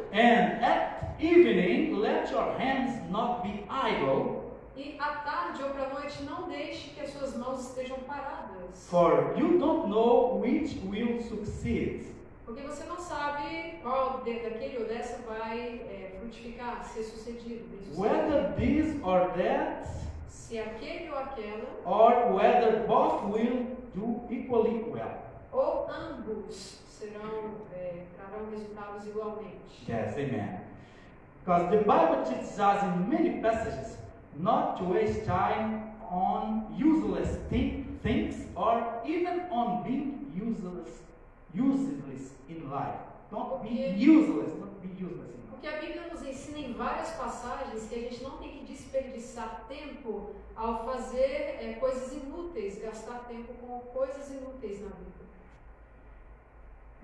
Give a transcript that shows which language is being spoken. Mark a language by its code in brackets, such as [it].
[en] And at evening, let your hands not be idle. [pt] E à tarde ou para noite, não deixe que as suas mãos estejam paradas. [en] For you don't know which will succeed. [pt] Porque você não sabe qual daquele ou dessa vai frutificar, ser sucedido. [en] Whether this or that. [pt] Se aquele ou aquela. [en] Or whether both will do equally well. [pt] Ou ambos trarão resultados igualmente. [en] Yes, amen. Because the Bible teaches us in many passages not to waste time on useless things or even on being useless in life. Don't be useless in life. [pt] Porque a Bíblia nos ensina em várias passagens que a gente não tem que desperdiçar tempo ao fazer coisas inúteis, gastar tempo com coisas inúteis na vida.